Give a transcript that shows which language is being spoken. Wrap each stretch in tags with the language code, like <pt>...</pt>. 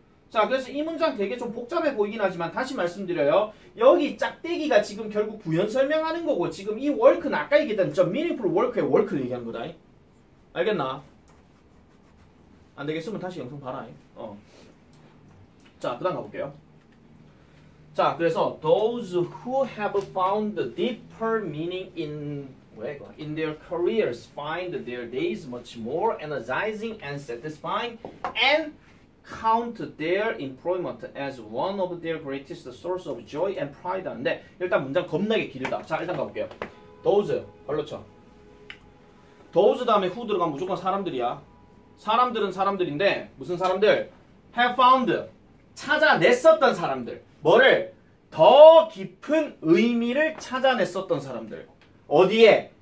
<ko>자, 그래서 이 문장 되게 좀 복잡해 보이긴 하지만 다시 말씀드려요. 여기 짝대기가 지금 결국 부연 설명하는 거고 지금 이 work는 아까 얘기했던 저</ko> <en>meaningful work</en> <ko>의 work를 얘기하는 거다. 알겠나? 안 되겠으면 다시 영상 봐라. 자, 그 다음 가볼게요. 자, 그래서</ko> <en>those who have found the deeper meaning in their careers find their days much more energizing and satisfying and count their employment as one of their greatest source of joy and pride.</en> <ko>하는데 일단 문장 겁나게 길다. 자, 일단 가볼게요. Those, 발로 쳐. Those 다음에 who 들어가면 무조건 사람들이야. 사람들은 사람들인데 무슨 사람들?</ko> <en>Have found,</en> <ko>찾아냈었던 사람들. 뭐를? 더 깊은 의미를 찾아냈었던 사람들. 어디에?</ko>